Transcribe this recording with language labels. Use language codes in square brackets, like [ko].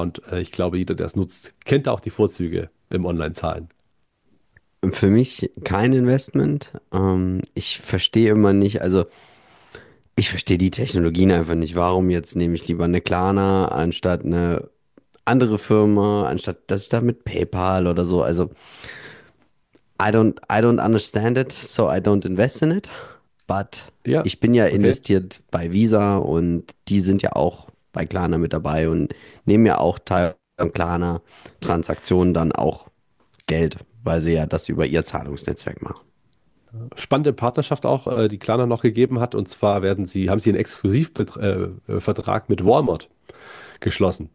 [de] Und ich glaube, jeder, der es nutzt, kennt auch die Vorzüge im Online-Zahlen. Für mich kein Investment. Ich verstehe immer nicht, also ich verstehe die Technologien einfach nicht. Warum jetzt nehme ich lieber eine Klarna anstatt eine andere Firma, anstatt dass ich da mit PayPal oder so. [en] Also I don't understand it, so I don't invest in it. But [de] Ja, ich bin ja okay. investiert bei Visa und die sind ja auch bei Klarna mit dabei und nehmen ja auch Teil an Klarna Transaktionen dann auch Geld, weil sie ja das über ihr Zahlungsnetzwerk machen. Spannende Partnerschaft auch, die Klarna noch gegeben hat. Und zwar werden sie, haben sie einen Exklusivvertrag mit Walmart geschlossen.